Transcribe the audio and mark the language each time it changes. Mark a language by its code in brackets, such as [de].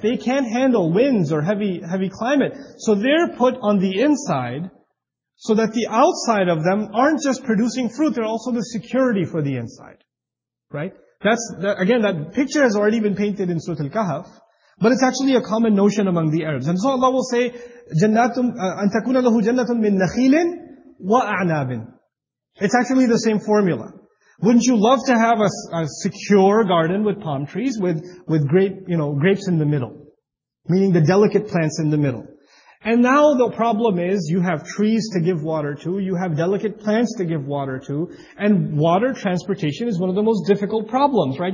[en] They can't handle winds or heavy climate. So they're put on the inside so that the outside of them aren't just producing fruit, they're also the security for the inside. Right? That picture has already been painted in Surah Al-Kahf. But it's actually a common notion among the Arabs. And so Allah will say, [ar] جَنَّاتٌ أَن تَكُونَ لَهُ جَنَّةٌ مِن نَخِيلٍ وَأَعْنَابٍ. [en] It's actually the same formula. Wouldn't you love to have a secure garden with palm trees, with grape, you know, grapes in the middle? Meaning the delicate plants in the middle. And now the problem is, you have trees to give water to, you have delicate plants to give water to, and water transportation is one of the most difficult problems, right?